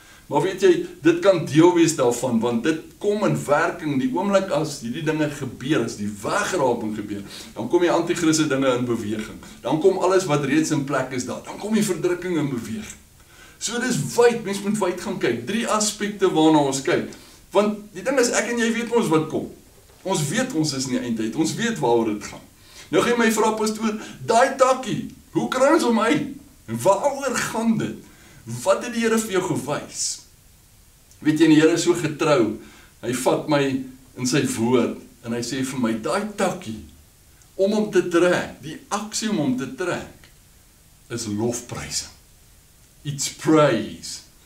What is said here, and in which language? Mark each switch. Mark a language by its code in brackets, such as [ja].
[af] Maar weet jy, dit kan deel wees daarvan, want dit kom in werking die oomblik as hierdie dinge gebeur, as die wegraping gebeur, dan kom die antichristse dinge in beweging, dan kom alles wat reeds in plek is daar, dan kom die verdrukking in beweging. So dit is wyd, mens moet wyd gaan kyk, drie aspekte waarna ons kyk, want die ding is, ek en jy weet ons wat kom, ons weet ons is in die eindtyd, ons weet waaroor dit gaan. Nou gee my vraag pastoor, daai takkie, hoe kry ons hom uit, en waaroor gaan dit? Wat het die Here vir jou gewys? Weet jy, die Here is so getrou, hy vat my in sy woord, en hy sê vir my, daai takkie, om hom te trek, die aksie om hom te trek, is lofprysing. [en] It's praise.